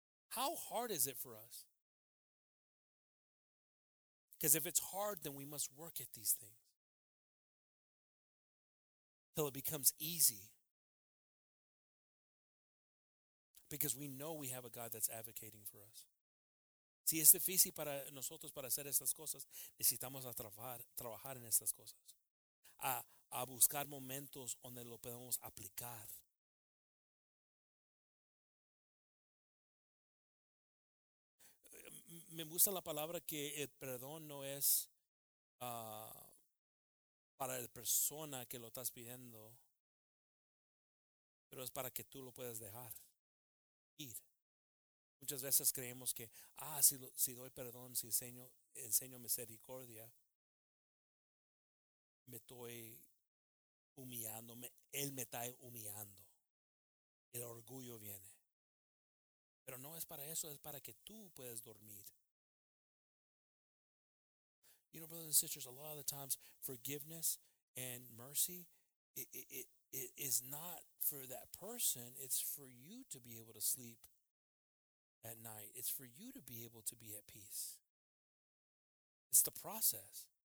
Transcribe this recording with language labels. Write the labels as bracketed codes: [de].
[en] How hard is it for us? Because if it's hard, then we must work at these things till it becomes easy. Because we know we have a God that's advocating for us. [es] Si es difícil para nosotros para hacer estas cosas, necesitamos a trabajar en estas cosas. A buscar momentos donde lo podemos aplicar. Me gusta la palabra que el perdón no es para la persona que lo estás pidiendo, pero es para que tú lo puedas dejar ir. Muchas veces creemos que, si doy perdón, si enseño misericordia, me estoy humillando, él me está humillando. El orgullo viene. Pero no es para eso, es para que tú puedas dormir. [en] You know, brothers and sisters, a lot of the times forgiveness and mercy, it is not for that person. It's for you to be able to sleep at night. It's for you to be able to be at peace. It's the process.